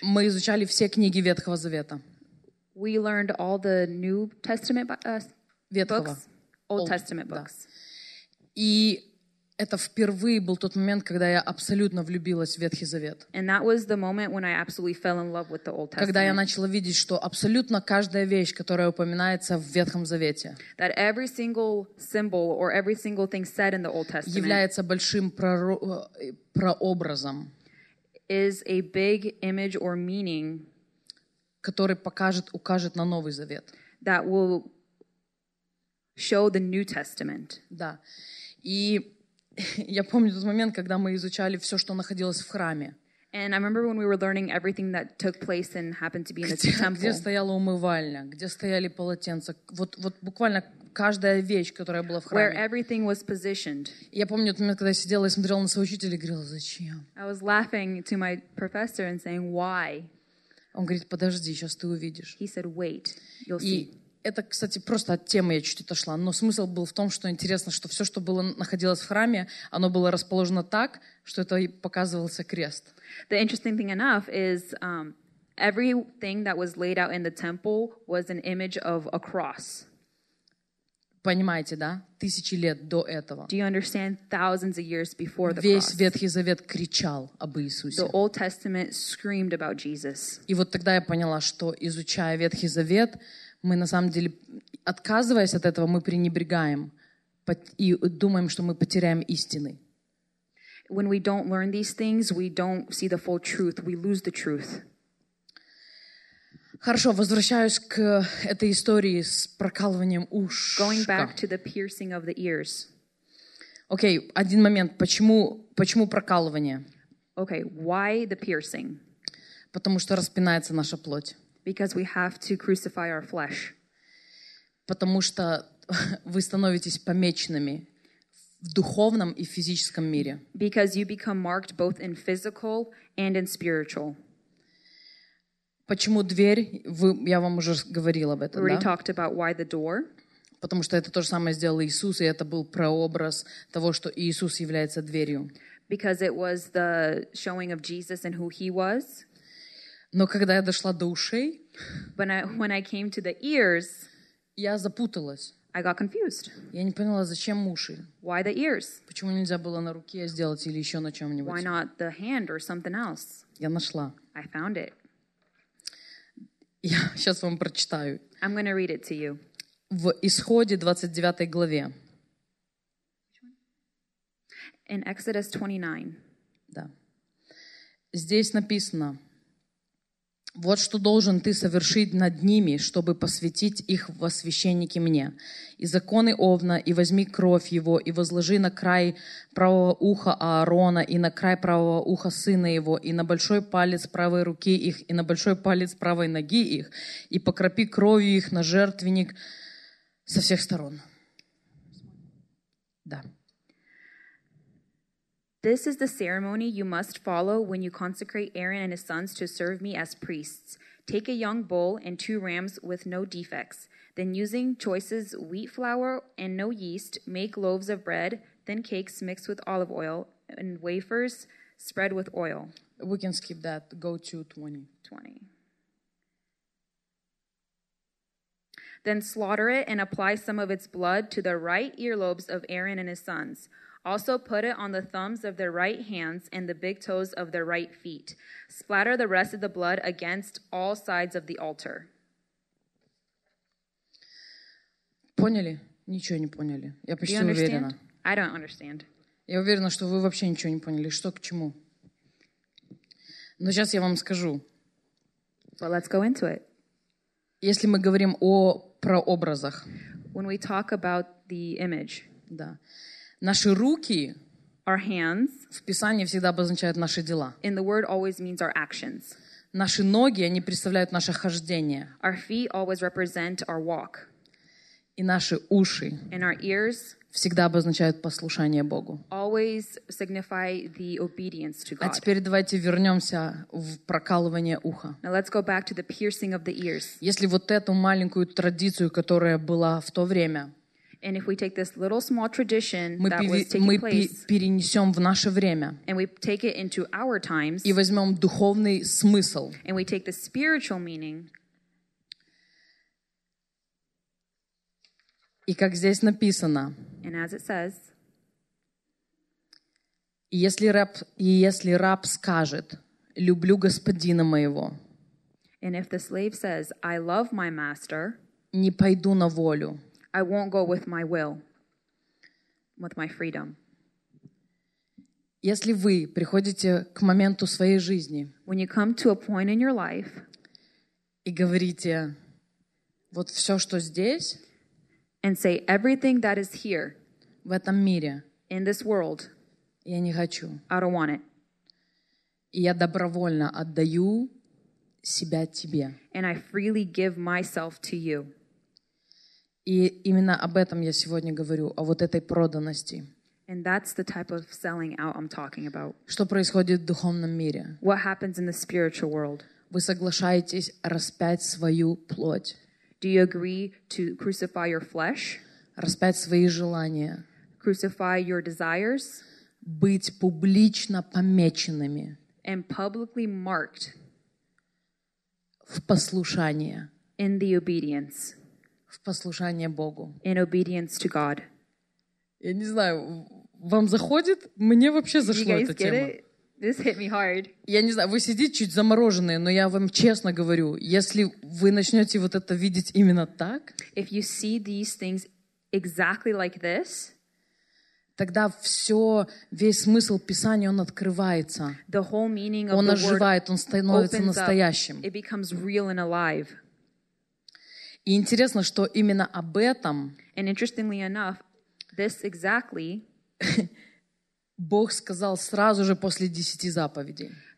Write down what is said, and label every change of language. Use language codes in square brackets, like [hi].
[ru] мы изучали все книги Ветхого Завета. [en] We learned all the New Testament books. [ru] Ветхого. [en] Old Testament books. [ru] Да. И это впервые был тот момент, когда я абсолютно влюбилась в Ветхий Завет. [en] And that was the moment when I absolutely fell in love with the Old Testament. [ru] Когда я начала видеть, что абсолютно каждая вещь, которая упоминается в Ветхом Завете, [en] that every single symbol or every single thing said in the Old Testament [ru] является большим прообразом, [en] is a big image or meaning, [ru] который укажет на Новый Завет. [en] That will show the New Testament. [ru] Да. И я помню тот момент, когда мы изучали все, что находилось в храме. [en] And I remember when we were learning everything that took place and happened to be in the temple. [ru] Где стояла умывальня, где стояли полотенца. Вот буквально каждая вещь, которая была в храме. [en] Where everything was positioned. [ru] Я помню тот момент, когда я сидела и смотрела на своего учителя и говорила, зачем? [en] I was laughing to my professor and saying, why? [ru] Он говорит, подожди, сейчас ты увидишь. [en] He said, wait, you'll see. [ru] Это, кстати, просто от темы я чуть отошла. Но смысл был в том, что интересно, что все, что было, находилось в храме, оно было расположено так, что это и показывался крест. [en] The interesting thing enough is everything that was laid out in the temple was an image of a cross. [ru] Понимаете, да? Тысячи лет до этого. [en] Do you understand thousands of years before the [ru] весь [en] cross? [ru] Весь Ветхий Завет кричал об Иисусе. [en] The Old Testament screamed about Jesus. [ru] И вот тогда я поняла, что изучая Ветхий Завет, мы на самом деле, отказываясь от этого, мы пренебрегаем и думаем, что мы потеряем истины. [en] When we don't learn these things, we don't see the full truth. We lose the truth. [ru] Хорошо, возвращаюсь к этой истории с прокалыванием ушка. [en] Going back to the piercing of the ears. [ru] Окей, один момент. Почему прокалывание? [en] Okay, why the piercing? [ru] Потому что распинается наша плоть. [en] Because we have to crucify our flesh. [ru] Потому что вы становитесь помеченными в духовном и физическом мире. [en] Because you become marked both in physical and in spiritual. [ru] Почему дверь? Я вам уже говорил об этом, [en] already [ru] да? [en] talked about why the door. [ru] Потому что это то же самое сделал Иисус, и это был прообраз того, что Иисус является дверью. [en] Because it was the showing of Jesus and who he was. [ru] Но когда я дошла до ушей, [en] when I came to the ears, [ru] я запуталась. [en] I got confused. [ru] Я не поняла, зачем уши? [en] Why the ears? [ru] Почему нельзя было на руке сделать или еще на чем-нибудь? [en] Why not the hand or something else? [ru] Я нашла. [en] I found it. [ru] Я сейчас вам прочитаю. [en] I'm going to read it to you. [ru] В Исходе 29 главе. [en] In Exodus 29. [ru] Да. Здесь написано. Вот что должен ты совершить над ними, чтобы посвятить их во священники мне. И законы Овна, и возьми кровь его, и возложи на край правого уха Аарона, и на край правого уха сына его, и на большой палец правой руки их, и на большой палец правой ноги их, и покропи кровью их на жертвенник со всех сторон. Да. [en] This is the ceremony you must follow when you consecrate Aaron and his sons to serve me as priests. Take a young bull and two rams with no defects. Then using choice wheat flour and no yeast, make loaves of bread, thin cakes mixed with olive oil, and wafers spread with oil. We can skip that. Go to 20. Then slaughter it and apply some of its blood to the right earlobes of Aaron and his sons. Also put it on the thumbs of their right hands and the big toes of their right feet. Splatter the rest of the blood against all sides of the altar. [ru] Поняли? Ничего не поняли. Я почти уверена. [en] I don't understand. [ru] Я уверена, что вы вообще ничего не поняли. Что к чему? Но сейчас я вам скажу. [en] But let's go into it. [ru] Если мы говорим о прообразах. [en] When we talk about the image. [ru] Да. Наши руки [en] our hands, [ru] в Писании всегда обозначают наши дела. [en] And the word always means our actions. [ru] Наши ноги, они представляют наше хождение. [en] Our feet always represent our walk. [ru] И наши уши [en] and our ears, [ru] всегда обозначают послушание Богу. [en] Always signify the obedience to God. [ru] А теперь давайте вернемся в прокалывание уха. [en] Now let's go back to the piercing of the ears. [ru] Если вот эту маленькую традицию, которая была в то время, [en] and if we take this little small tradition that was taking [ru] мы [en] place, [ru] перенесем в наше время, [en] and we take it into our times, [ru] и возьмем духовный смысл, [en] and we take the spiritual meaning, [ru] и как здесь написано, [en] and as it says, [ru] если раб скажет, люблю господина моего, [en] and if the slave says, I love my master, [ru] не пойду на волю, [en] I won't go with my will, with my freedom. [ru] Если вы приходите к моменту своей жизни, [en] when you come to a point in your life, [ru] и говорите, вот все, что здесь, [en] and say everything that is here, [ru] в этом мире, [en] in this world, [ru] я не хочу, [en] I don't want it. [ru] И я добровольно отдаю себя тебе, [en] and I freely give myself to you. [ru] И именно об этом я сегодня говорю, о вот этой проданности. [en] And that's the type of selling out I'm talking about. [ru] Что происходит в духовном мире? [en] What happens in the spiritual world? [ru] Вы соглашаетесь распять свою плоть. [en] Do you agree to crucify your flesh? [ru] Распять свои желания. [en] Crucify your desires? [ru] Быть публично помеченными. [en] And publicly marked. [ru] В послушание. [en] In the obedience. [ru] в послушание Богу. [en] In obedience to God. [ru] Я не знаю, вам заходит? Мне вообще зашло эта тема. [en] This hit me hard. [ru] Я не знаю, вы сидите чуть замороженные, но я вам честно говорю, если вы начнете вот это видеть именно так, [en] if you see these things exactly like this, [ru] тогда все, весь смысл Писания, он открывается. [en] The whole meaning of [ru] он оживает, он становится настоящим. [en] It becomes real and alive. [ru] И интересно, что именно об этом [en] and interestingly enough, this exactly [ru] Бог сказал сразу же после 10 заповедей.